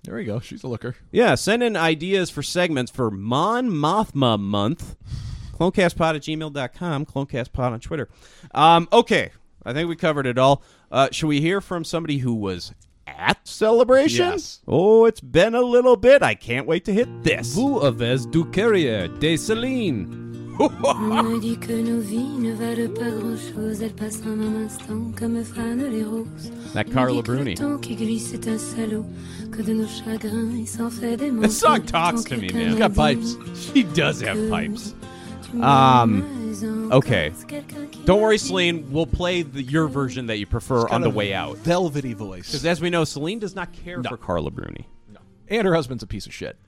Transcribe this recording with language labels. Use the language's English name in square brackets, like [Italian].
[English] There we go. She's a looker. Yeah, send in ideas for segments for Mon Mothma month. CloneCastPod@gmail.com, CloneCastPod on Twitter. Okay, I think we covered it all. Should we hear from somebody who was at Celebration? Yes. Oh, it's been a little bit. I can't wait to hit this. [French] Vous avez du carrière de Céline. On a dit que nos vies ne valent pas grand chose, elles passent en un instant comme frânent les roses. [English] That Carla Bruni. [French] Le temps qui glisse est un salaud, que de nos chagrins il s'en fait des morceaux. [English] This song talks to me, man. She's got pipes. She does have pipes. Okay. Don't worry, Celine. We'll play your version that you prefer on the way out. Velvety voice. Because as we know, Celine does not care for Carla Bruni. And her husband's a piece of shit.